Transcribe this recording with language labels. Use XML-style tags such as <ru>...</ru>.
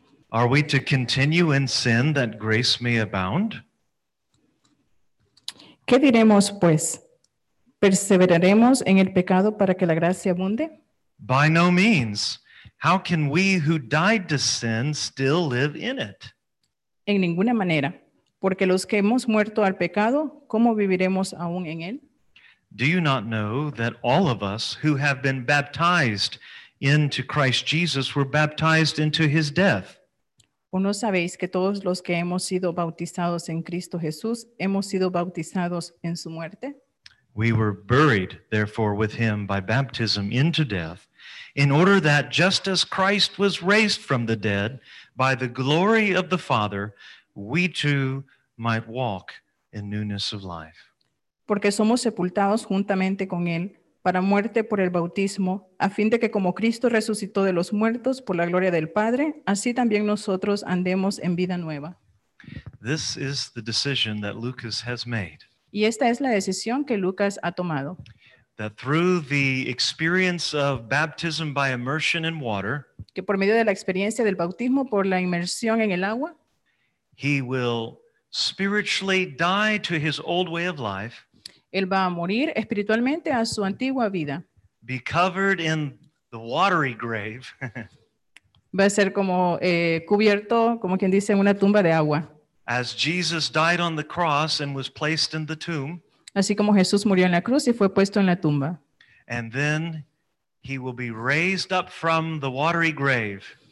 <en>Are we to continue in sin that grace may abound?</en> <es>¿Qué diremos, pues? ¿Perseveraremos en el pecado para que la gracia abunde?</es> <en>By no means. How can we who died to sin still live in it?</en> <es>En ninguna manera. Porque los que hemos muerto al pecado, ¿cómo viviremos aún en él?</es> <en>Do you not know that all of us who have been baptized into Christ Jesus were baptized into his death?</en> <es>¿O no sabéis que todos los que hemos sido bautizados en Cristo Jesús hemos sido bautizados en su muerte?</es> <en>We were buried, therefore, with him by baptism into death, in order that just as Christ was raised from the dead by the glory of the Father, we too might walk in newness of life.</en> <es>Porque somos sepultados juntamente con él para muerte por el bautismo, a fin de que como Cristo resucitó de los muertos por la gloria del Padre, así también nosotros andemos en vida nueva.</es> <en>This is the decision that Lucas has made.</en> <es>Y esta es la decisión que Lucas ha tomado.</es> <en>That through the experience of baptism by immersion in water,</en> <es>que por medio de la experiencia del bautismo por la inmersión en el agua,</es> <en>he will spiritually die to his old way of life.</en> <es>Él va a morir espiritualmente a su antigua vida.</es> <en>Be covered in the watery grave.</en> <es>Va a ser como cubierto, como quien dice, en una tumba de agua.</es> <en>As Jesus died on the cross and was placed in the tomb.</en> <es>Así como Jesús murió en la cruz y fue puesto en la tumba.</es> <en>And then he will be raised up from the watery grave.</en>